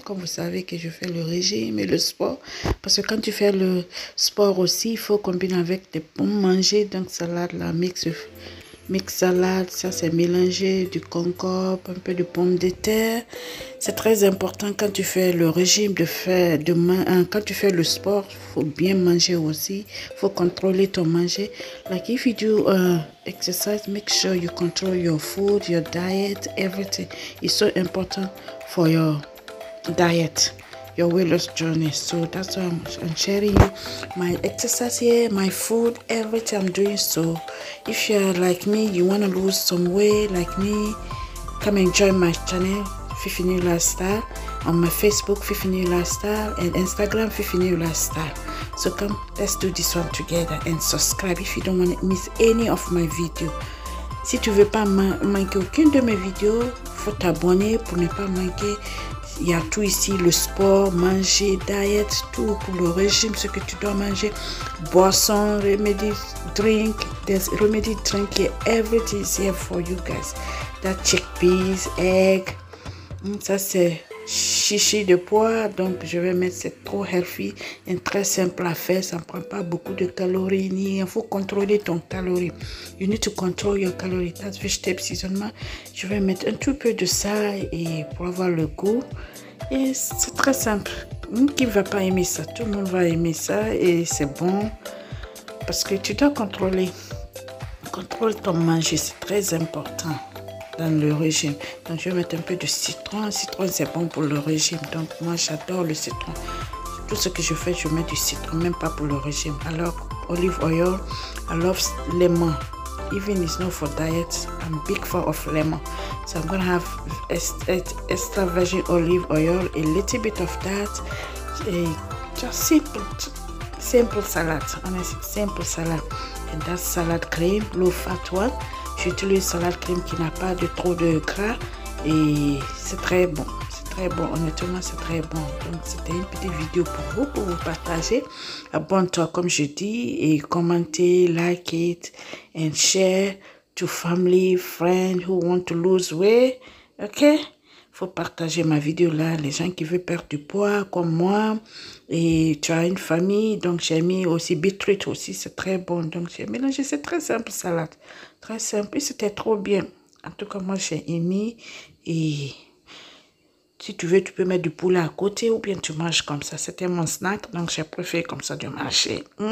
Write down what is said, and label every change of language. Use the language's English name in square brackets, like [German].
[French] Comme vous savez que je fais le régime et le sport, parce que quand tu fais le sport aussi, il faut combiner avec des bons manger. Donc salade là, mix salade, ça c'est mélanger du concombre, un peu de pommes de terre. C'est très important quand tu fais le régime de faire quand tu fais le sport, faut bien manger aussi, faut contrôler ton manger. [English] Like if you do exercise, make sure you control your food, your diet, everything. It's so important for your diet, your weight loss journey. So that's why I'm sharing you my exercise here, my food, everything I'm doing. So if you're like me, you want to lose some weight like me, come and join my channel Fifi New Lifestyle on my Facebook Fifi New Lifestyle and Instagram Fifi New Lifestyle. So come, let's do this one together and subscribe if you don't want to miss any of my videos. [French] Si tu veux pas manquer aucune de mes vidéos, faut t'abonner pour ne pas manquer. Il y a tout ici, le sport, manger, diet, tout pour le régime, ce que tu dois manger, boisson, remedy, drink, [English] there's remedy, drink here, everything is here for you guys. That chickpeas, egg, [French] ça c'est chichi de pois, donc je vais mettre, c'est trop healthy et très simple à faire, ça ne prend pas beaucoup de calories, ni il faut contrôler ton calorie. [English] You need to control your calorie, that's vegetable seasonment. [French] Je vais mettre un tout peu de ça et pour avoir le goût. Et c'est très simple, qui ne va pas aimer ça, tout le monde va aimer ça et c'est bon. Parce que tu dois contrôler, contrôle ton manger, c'est très important dans le régime. Donc je vais mettre un peu de citron, citron c'est bon pour le régime, donc moi j'adore le citron, tout ce que je fais je mets du citron, même pas pour le régime. [English] Alors olive oil, I love lemon, even it's not for diet, I'm big fan of lemon. So I'm gonna have extra virgin olive oil, a little bit of that, and just simple salad, and that salad cream, low fat one. [French] J'utilise une salade crème qui n'a pas de trop de gras et c'est très bon. C'est très bon, honnêtement, c'est très bon. Donc, c'était une petite vidéo pour vous partager. Abonne-toi, comme je dis, et commentez, [English] like it, and share to family, friends who want to lose weight. OK? [French] Faut partager ma vidéo là, les gens qui veulent perdre du poids comme moi et tu as une famille, donc j'ai mis aussi beetroot aussi, c'est très bon, donc j'ai mélangé, c'est très simple salade, très simple et c'était trop bien. En tout cas moi j'ai aimé et si tu veux tu peux mettre du poulet à côté ou bien tu manges comme ça, c'était mon snack donc j'ai préféré comme ça de manger.